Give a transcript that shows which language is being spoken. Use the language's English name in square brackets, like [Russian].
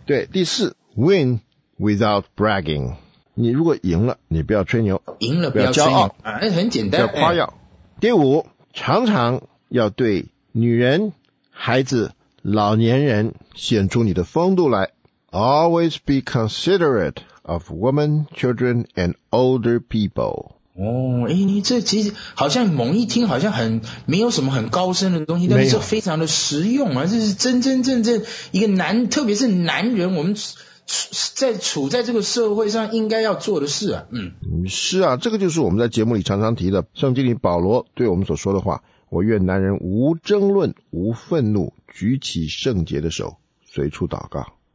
[Chinese] 对，第四 [English] ，win without bragging。 [Chinese] 你如果赢了，你不要吹牛。赢了不要骄傲啊，很简单。要夸耀、哎。第五，常常要对女人、孩子、老年人显出你的风度来。 [English] Always be considerate of women, children, and older people. [Chinese] 哦，哎，这其实好像猛一听好像很没有什么很高深的东西，但是非常的实用啊！这是真真正正一个男，特别是男人，我们处在这个社会上应该要做的事啊。嗯，是啊，这个就是我们在节目里常常提的，圣经里保罗对我们所说的话：我愿男人无争论、无愤怒，举起圣洁的手，随处祷告。